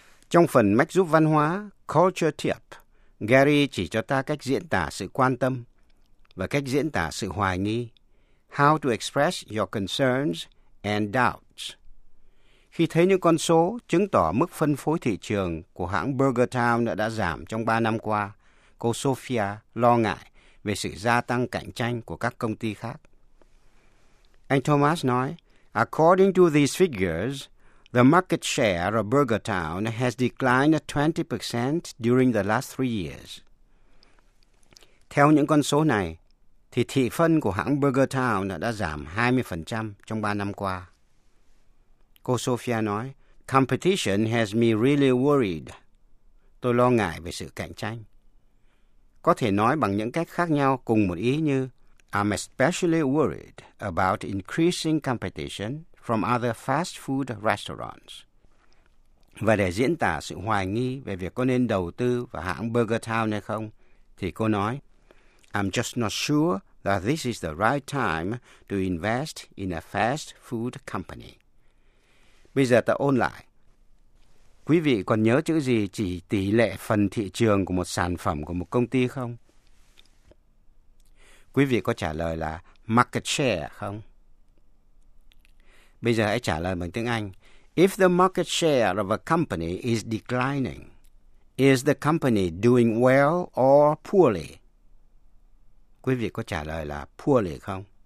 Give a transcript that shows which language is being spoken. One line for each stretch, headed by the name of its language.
Vietnamese: Trong phần mách giúp văn hóa Culture Tip, Gary chỉ cho ta cách diễn tả sự quan tâm và cách diễn tả sự hoài nghi.
English: How to express your concerns and doubts.
Vietnamese: Khi thấy những con số chứng tỏ mức phân phối thị trường của hãng Burger Town đã giảm trong 3 năm qua, cô Sophia lo ngại về sự gia tăng cạnh tranh của các công ty khác. Anh Thomas nói,
English: according to these figures, the market share of Burger Town has declined 20% during the last 3 years.
Vietnamese: Theo những con số này, thì thị phần của hãng Burger Town đã giảm 20% trong 3 năm qua. Cô Sophia nói,
English: competition has me really worried.
Vietnamese: Tôi lo ngại về sự cạnh tranh. Có thể nói bằng những cách khác nhau cùng một ý như,
English: I'm especially worried about increasing competition from other fast food restaurants.
Vietnamese: Và để diễn tả sự hoài nghi về việc có nên đầu tư vào hãng Burger Town hay không, thì cô nói,
English: I'm just not sure that this is the right time to invest in a fast food company.
Vietnamese: Bây giờ ta ôn lại. Quý vị còn nhớ chữ gì chỉ tỷ lệ phần thị trường của một sản phẩm của một công ty không? Quý vị có trả lời là market share không? Bây giờ hãy trả lời bằng tiếng Anh.
English: If the market share of a company is declining, is the company doing well or poorly?
Vietnamese: Quý vị có trả lời là
English: poorly
Vietnamese: không?